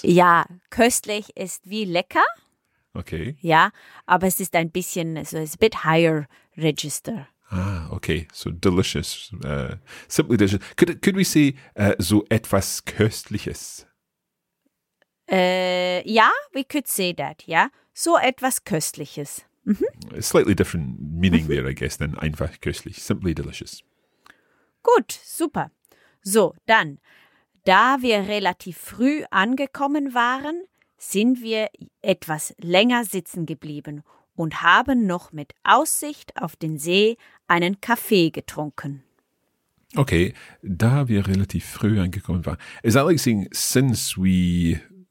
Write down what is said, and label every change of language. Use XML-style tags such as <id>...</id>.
<de>Ja, köstlich ist wie lecker.</de> <en>Okay.</en> <de>Ja, aber es ist ein bisschen,</de> <en>so it's a bit higher register. Ah, okay, so delicious, simply delicious. Could we say</en> <de>so etwas köstliches?</de> <en>Ja, we could say that, ja.</en> <de>So etwas Köstliches.</de> <en>Mm-hmm. Slightly different meaning there, I guess, than</en> <de>einfach köstlich.</de> <en>Simply delicious.</en> <de>Gut, super. So, dann. Da wir relativ früh angekommen waren, sind wir etwas länger sitzen geblieben und haben noch mit Aussicht auf den See einen Kaffee getrunken. Okay, da wir relativ früh angekommen waren.</de> <en>Is that like saying, since we...</en>